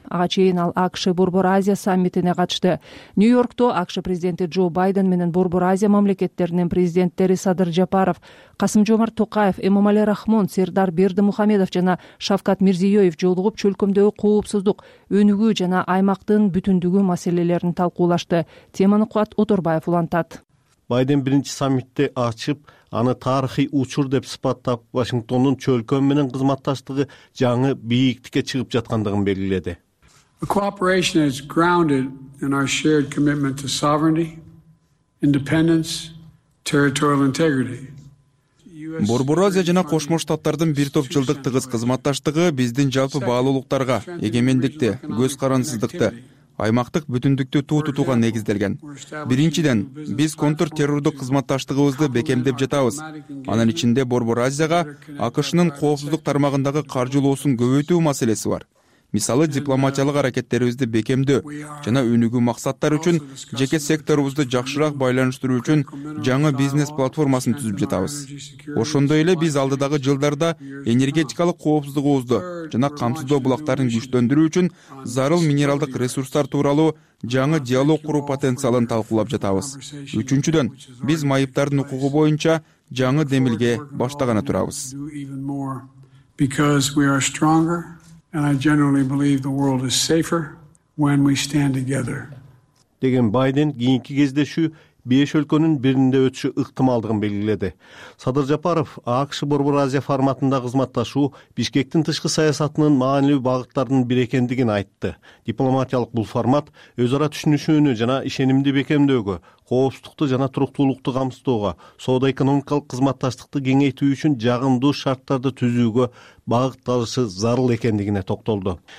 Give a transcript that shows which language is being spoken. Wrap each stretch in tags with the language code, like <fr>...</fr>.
<ky>Ага чейин ал АКШ Борбор Азия саммитине катышты. Нью-Йоркто АКШ президенти Джо Байден менен Борбор Азия мамлекеттеринин президенттери Садыр Жапаров, Касым Жомарт Токаев, Эмомали Рахмон, Сердар Бердимухамедов жана Шавкат Мирзиёев жолугуп, чөлкөмдөгү коопсуздук, өнүгүү жана аймактын бүтүндүгү маселелерин талкуулашты. Теманы Кубат Оторбаев улантат. Байден биринчи саммитти ачып, аны тарыхый учур деп сыпаттап, Вашингтондун чөлкөм менен кызматташтыгы жаңы бийиктикке чыгып жаткандыгын белгиледи.</ky> <en>Cooperation is grounded in our shared commitment to sovereignty, independence, territorial integrity.</en> <ky>Борбор Азия жана Кошмо Штаттардын бир топ жылдык тыгыз кызматташтыгы биздин жалпы баалуулуктарга, эгемендикке, көз карансыздыкка, аймактык бүтүндүктү туу тутууга негизделген. Биринчиден, биз контртеррордук кызматташтыгыбызды бекемдеп жатабыз. Анын ичинде Борбор Азияга АКШнын коопсуздук тармагындагы каржылоосун көбөйтүү маселеси бар. Мисалы, дипломатиялык аракеттерибизди бекемдөө жана өнүгүү максаттар үчүн жеке секторубузду жакшыраак байланыштыруу үчүн жаңы бизнес платформасын түзүп жатабыз. Ошондой эле биз алдыдагы жылдарда энергетикалык коопсуздугубузду жана камсыздоо булактарын күчтөндүрүү үчүн зарыл минералдык ресурстар тууралуу жаңы диалог куруу потенциалын талкуулап жатабыз. Үчүнчүдөн, биз майыптардын укугу боюнча жаңы демилге баштаганы турабыз.</ky> <en>Because we are stronger and I generally believe the world is safer when we stand together.</en> <ky>Деген Байден кийинки кездешүү 5 өлкөнүн биринде өтүшү ыктымалдыгын белгиледи. Садыр Жапаров АКШ Борбор Азия форматында кызматташуу Бишкектин тышкы саясатынын маанилүү багыттарынын бири экендигин айтты. Дипломатиялык бул формат өз ара түшүнүшүүнү жана ишенимди бекемдөөгө, коопсуздукту жана туруктуулукту камсыздоого, соода экономикалык кызматташтыкты кеңейтүү үчүн жагымдуу шарттарды түзүүгө багытталышы зарыл экендигине токтолду.</ky>